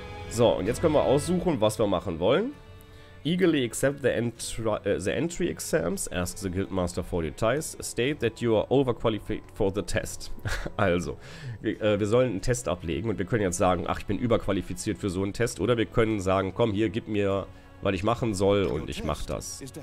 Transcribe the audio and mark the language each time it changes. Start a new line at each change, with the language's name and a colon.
German: So, und jetzt können wir aussuchen, was wir machen wollen.
English: Eagerly accept the entry exams, ask the Guildmaster for details, state that you are overqualified for the test.
German: Also, wir sollen einen Test ablegen und wir können jetzt sagen, ach, ich bin überqualifiziert für so einen Test. Oder wir können sagen, komm, hier, gib mir, was ich machen soll und ich mach das.